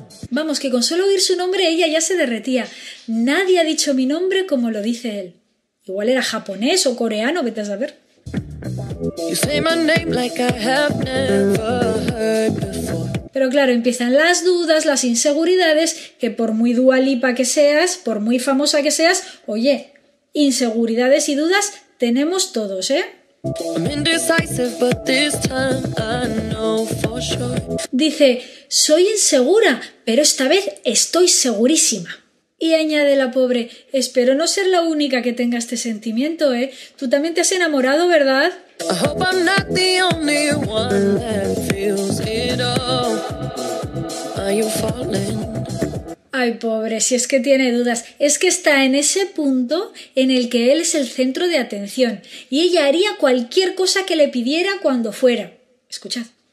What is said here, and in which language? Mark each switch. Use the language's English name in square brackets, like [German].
[Spanish] Vamos, que con solo oír su nombre ella ya se derretía. Nadie ha dicho mi nombre como lo dice él. Igual era japonés o coreano, vete a saber. [English] You say my name like I have never heard before. [Spanish] Pero claro, empiezan las dudas, las inseguridades, que por muy Dua Lipa que seas, por muy famosa que seas, oye, inseguridades y dudas tenemos todos, ¿eh? [English] I'm indecisive, but this time I know for sure. [Spanish] Dice, soy insegura, pero esta vez estoy segurísima. Y añade la pobre, espero no ser la única que tenga este sentimiento, ¿eh? Tú también te has enamorado, ¿verdad? [English] I hope I'm not the only one that feels it all. Are you falling? [Spanish] Ay, pobre, si es que tiene dudas. Es que está en ese punto en el que él es el centro de atención y ella haría cualquier cosa que le pidiera cuando fuera. Escuchad.